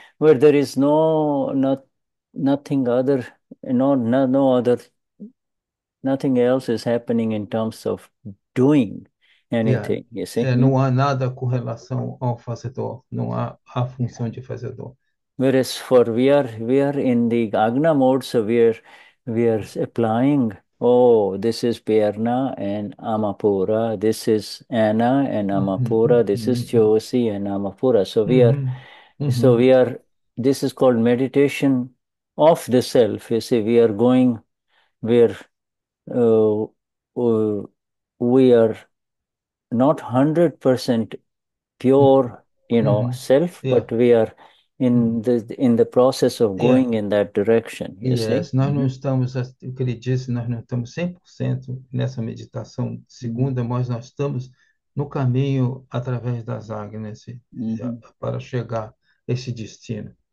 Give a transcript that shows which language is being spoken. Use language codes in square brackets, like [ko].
[en] Where there is no not nothing other, no other, nothing else is happening in terms of doing anything, you see? [pt] Não há nada com relação ao fazedor, não há a função de fazedor. [en] Whereas for we are in the Agna mode, so we are applying. Oh, this is Perna and Amapura. This is Anna and Amapura. This is Josi and Amapura. This is called meditation of the self. You see, we are going where we are not 100% pure, self, but we are in the process of going in that direction. You see. [pt] Nós não estamos, o que ele disse, nós não estamos 100% nessa meditação segunda, mas nós estamos no caminho através das Agnes para chegar a esse destino.